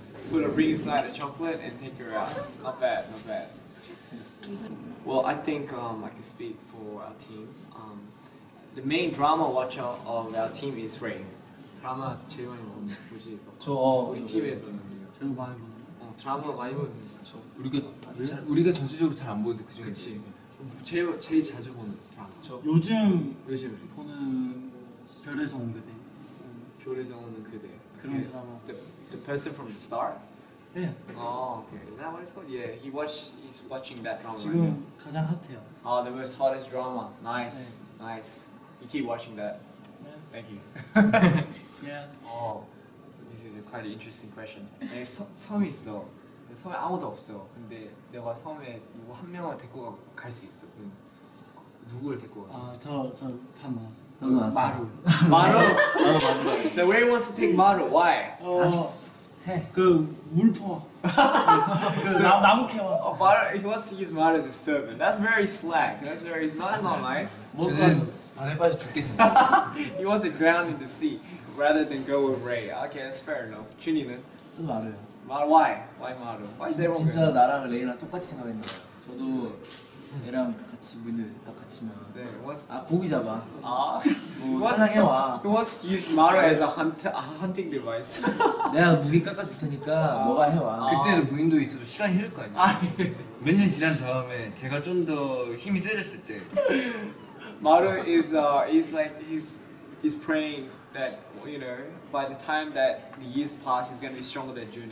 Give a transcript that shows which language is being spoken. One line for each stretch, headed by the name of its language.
English: Put a ring inside a chocolate and take her out. Not bad. Not bad. Well, I think I can speak for our team. The main drama watcher of our team is Rain.
Korean: 드라마 제일 많이 보는 뭐지? 저 우리 팀에서 제일 많이 보는. 어 드라마 많이 보는. 저 우리가 전체적으로 잘 안 보는데 그 중에 제일 자주 보는 드라마. 저 요즘 보는 별에서 온 그대. 별에서 오는 그대. 그런 드라마.
English: The Person from the Star.
Korean: 예.
English: Yeah. Oh, okay. Is that what it's called? Yeah. He's watching that drama.
Korean: 지금
English: right now.
Korean: 가장 핫해요.
English: Oh, the most hottest drama. Nice. Yeah. Nice. You keep watching that. Yeah. Thank you. Yeah. Oh, this is a quite interesting question.
Korean: 네, 섬 있어. 섬에 아무도 없어. 근데 내가 섬에 누구 한 명을 데리고 갈 수 있어. 응. 누구를 데리고 가? 아, 저 탐나. 탐나.
English: 마루. 마루. The way he wants to take Maru. Why?
Korean: 다시. 해. 그 물포. 나무 캐와.
English: Maru. He wants to use Maru as a servant. That's very slack. That's very. That's not nice.
Korean: 저는 안에 빠져 죽겠습니다.
English: He wants to drown in the sea rather than go with Ray. Okay, that's fair enough. 준이는?
Korean: 저도 마루요.
English: Maru. Why? Why Maru? Why is everyone?
Korean: 진짜 나랑 레이랑 똑같이 생각했나? 저도 얘랑 같이 문을 딱 닫히면. 네.
English: Wants.
Korean: 아 고기 잡아. 아. 뭐 사냥해 와.
English: He wants to use Maru as a hunting device.
Korean: 내가 무기 깎아줄 테니까 너가 해 와. 그때도 무인도 있어도 시간이 흐를 거 아니야. 몇 년 지난 다음에 제가 좀 더 힘이 세졌을 때.
English: Maru is he's praying that you know by the time that the years pass he's gonna be stronger than Junior.